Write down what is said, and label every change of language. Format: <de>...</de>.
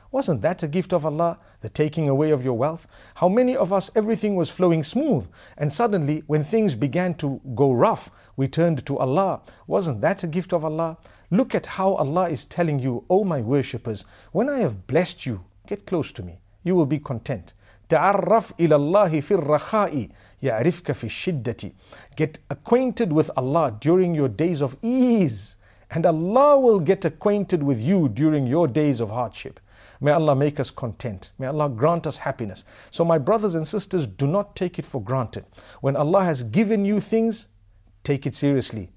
<en>Wasn't that a gift of Allah, the taking away of your wealth? How many of us, everything was flowing smooth, and suddenly, when things began to go rough, we turned to Allah. Wasn't that a gift of Allah? Look at how Allah is telling you, O my worshippers, when I have blessed you, get close to me. You will be content.</en> <ar>تعرف إلى الله في الرخاء يعرفك في الشدة.</ar> <en>Get acquainted with Allah during your days of ease, and Allah will get acquainted with you during your days of hardship. May Allah make us content. May Allah grant us happiness. So my brothers and sisters, do not take it for granted. When Allah has given you things, take it seriously.</en>